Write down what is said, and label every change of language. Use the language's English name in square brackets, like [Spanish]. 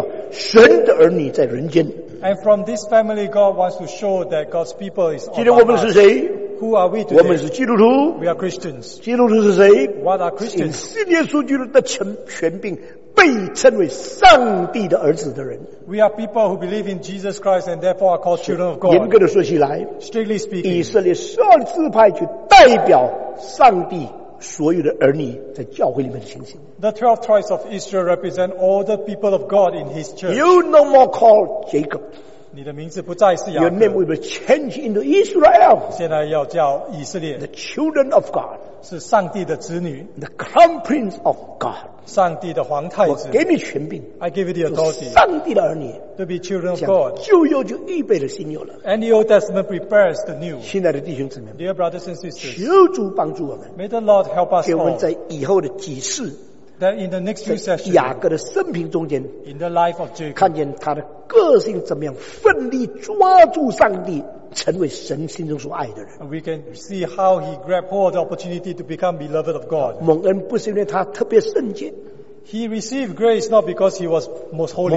[Chinese] 上帝要从这个家族里面预表神的儿女在人间, [English] and from this family God wants to show that God's people is all about us. [Chinese] 今天我们是谁? [English] Who are we today? [Chinese] 我们是基督徒, [English] we are Christians. [Chinese] 基督徒是谁? [English] What are Christians? [Chinese] 信耶稣基督的权柄, 被称为上帝的儿子的人, [English] we are people who believe in Jesus Christ and therefore are called children of God. [Chinese] 严格地说起来, [English] strictly speaking, [Chinese] 以色列十二支派就代表上帝所有的儿女在教会里面的情形, [English] the 12 tribes of Israel represent all the people of God in his church. You no more call Jacob, Your name will be changed into Israel. The children of God. The crown prince of God. [Chinese] 上帝的皇太子, 我给你权柄, [English] I give you the authority [Chinese] 上帝的儿女, [English] to be children of God. [Chinese] 旧约就预备了新约了, [English] and the Old Testament prepares the new. [Chinese] 亲爱的弟兄姊妹们, [English] dear brothers and sisters, [Chinese] 求主帮助我们, [English] may the Lord help us all. [Chinese] 给我们在以后的几世, [English] that in the next few sessions, [Chinese] 在雅各的生平中间, [English] in the life of Jacob, [Chinese] 看见他的个性怎么样奋力抓住上帝, 成为神心中所爱的人。 [English] We can see how he grabbed hold of the opportunity to become beloved of God. [Chinese] 蒙恩不是因为他特别圣洁, he received grace not because he was most holy.